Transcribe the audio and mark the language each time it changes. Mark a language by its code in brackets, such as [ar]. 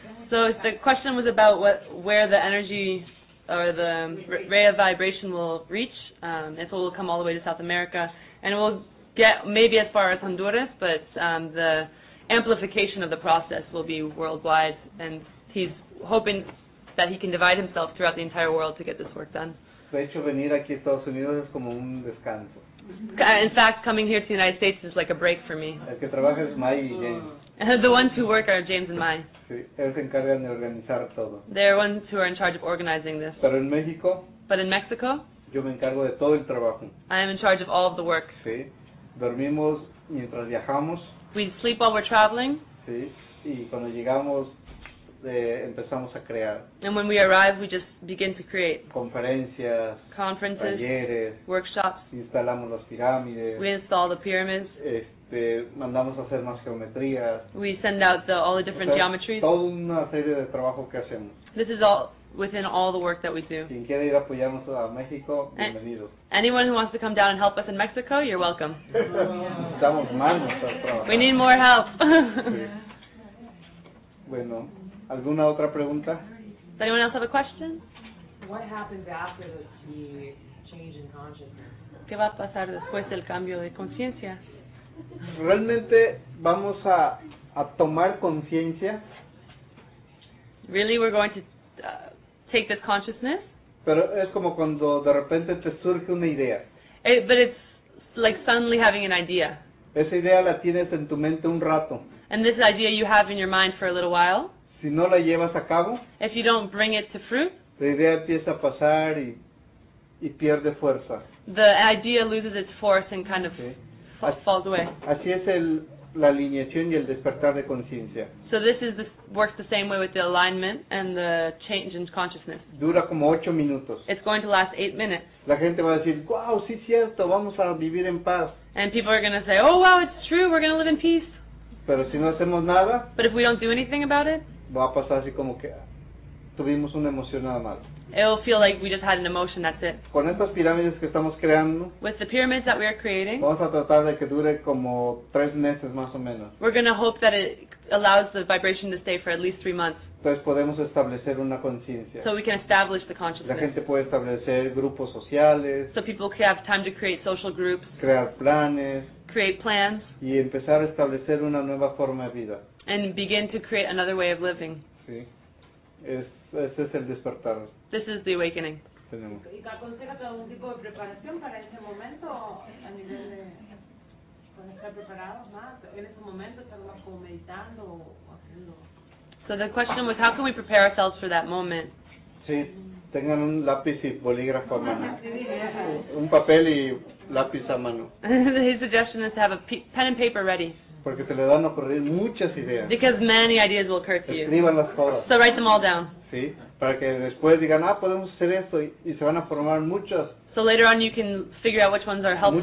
[en] So if the question was about what, where the energy or the ray of vibration will reach, if it will come all the way to South America, and it will get maybe as far as Honduras, but the amplification of the process will be worldwide, and he's hoping that he can divide himself throughout the entire world to get this work done. [es] De hecho, venir aquí a Estados Unidos es como un descanso. [en] In fact, coming here to the United States is like a break for me. [es] El que trabaja es Mai y James. [en] The ones who work are James and Mai. [es] Sí, ellos se encargan de organizar todo. [en] They're ones who are in charge of organizing this. [es] Pero en México. [en] But in Mexico. [es] Yo me encargo de todo el trabajo. [en] I am in charge of all of the work. [es] Sí. Dormimos mientras viajamos. [en] We sleep while we're traveling. [es] Sí. Y cuando llegamos, empezamos a crear. [en] And when we arrive, we just begin to create. [es] Conferencias. [en] Conferences. [es] Talleres. [en] Workshops. [es] Instalamos las pirámides. [en] We install the pyramids. [es] Mandamos a hacer más geometrías. [en] We send out all the different geometries. [es] Toda una serie de trabajo que hacemos. [en] This is all within all the work that we do. [es] Quien quiere ir a apoyarnos a México, bienvenido. [en] Anyone who wants to come down and help us in Mexico, you're welcome. [es] Estamos manos a trabajar. [en] We need more help. [es] Bueno, ¿alguna otra pregunta? [en] Does anyone else have a question? What happens after the change in consciousness? [es] ¿Qué va a pasar después del cambio de conciencia? Realmente vamos a tomar conciencia. [en] Really, we're going to take this consciousness. [es] Pero es como cuando de repente te surge una idea. [en] But it's like suddenly having an idea. [es] Esa idea la tienes en tu mente un rato. [en] And this idea you have in your mind for a little while. [es] Si no la llevas a cabo. [en] If you don't bring it to fruit. [es] La idea empieza a pasar y pierde fuerza. [en] The idea loses its force and kind of. Okay. Falls away. [es] Así es la alineación y el despertar de conciencia. [en] So this is works the same way with the alignment and the change in consciousness. [es] Dura como 8 minutos. [en] It's going to last 8 minutes. [es] La gente va a decir, wow, sí es cierto, vamos a vivir en paz. [en] And people are going to say, oh wow, it's true, we're going to live in peace. [es] Pero si no hacemos nada. [en] But if we don't do anything about it. [es] Va a pasar así como que tuvimos una emoción nada más. [en] It'll feel like we just had an emotion, that's it. [es] Con estas pirámides que estamos creando, [en] with the pyramids that we are creating, [es] vamos a tratar de que dure como 3 meses más o menos. [en] We're going to hope that it allows the vibration to stay for at least 3 months. [es] Entonces podemos establecer una conciencia. [en] So we can establish the consciousness. [es] La gente puede establecer grupos sociales. [en] So people can have time to create social groups. [es] Crear planes. [en] Create plans. [es] Y empezar a establecer una nueva forma de vida. [en] And begin to create another way of living. [es] Sí. Ese es el despertar. [en] This is the awakening. So the question was, how can we prepare ourselves for that moment? [es] Sí, tengan un lápiz y bolígrafo a mano. Un papel y lápiz a mano. [en] His suggestion is to have a pen and paper ready. [es] Porque se le van a ocurrir muchas ideas. [en] Because many ideas will occur to you. [es] Escríbanlas todas. [en] So write them all down. [es] Sí, para que después digan, ah, podemos hacer esto, y se van a formar muchas. [en] So later on you can figure out which ones are helpful